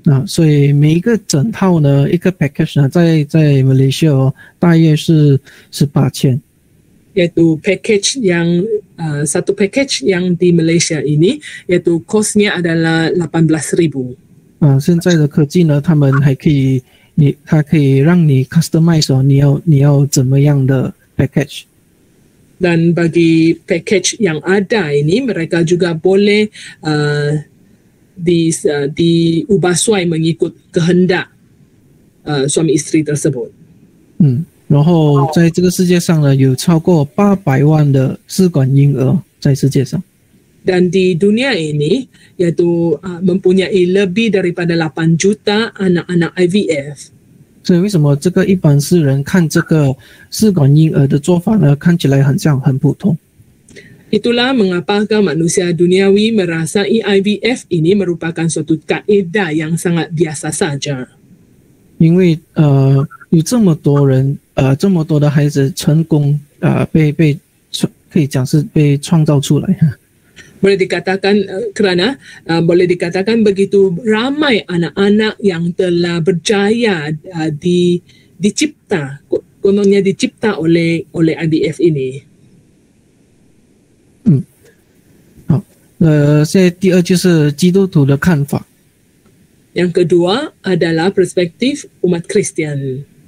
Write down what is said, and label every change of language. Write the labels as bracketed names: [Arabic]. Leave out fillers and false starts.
[Chinese] So, 每一个整套呢，一个 package 呢，在 Malaysia 哦，大约是18,000. [Malay] Yaitu package yang satu package yang di Malaysia ini, yaitu costnya adalah 18,000. [Chinese] 现在的科技呢，他们还可以，它可以让你 customize 哦，你要怎么样的 package? [Malay] Dan bagi package yang ada ini, mereka juga boleh diubah suai mengikut kehendak suami isteri tersebut. [Chinese] 然后在这个世界上呢，有超过800万的试管婴儿在世界上。 [Malay] Dan di dunia ini, yaitu mempunyai lebih daripada 8 juta anak-anak IVF. [Chinese] 所以为什么这个一般世人看这个试管婴儿的做法呢看起来很像很普通。 [Malay] Itulah mengapakah manusia duniawi merasai IVF ini merupakan suatu kaedah yang sangat biasa saja. [Chinese] 因为有这么多人这么多的孩子成功被可以讲是被创造出来。 [Malay] Boleh dikatakan kerana boleh dikatakan begitu ramai anak-anak yang telah berjaya dicipta, kononnya dicipta oleh IVF ini. [Chinese] 好，现在第二就是基督徒的看法。 [Malay] Yang kedua adalah perspektif umat Kristian.